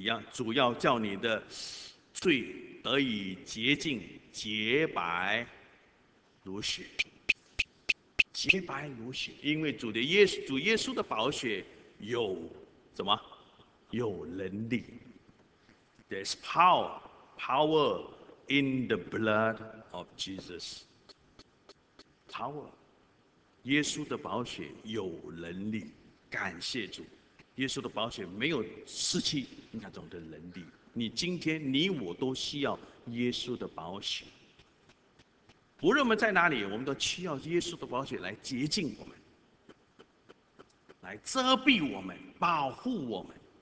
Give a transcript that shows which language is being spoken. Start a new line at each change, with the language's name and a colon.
Chinese: 主要叫你的罪得以洁净，洁白如雪，洁白如雪。因为主耶稣的宝血有什么？有能力。
English: There's power in the blood of Jesus.
Chinese: Power. 耶稣的宝血有能力。感谢主，耶稣的宝血没有失去那种的能力。你今天你我都需要耶稣的宝血，无论我们在哪里，我们都需要耶稣的宝血来洁净我们，来遮蔽我们，保护我们。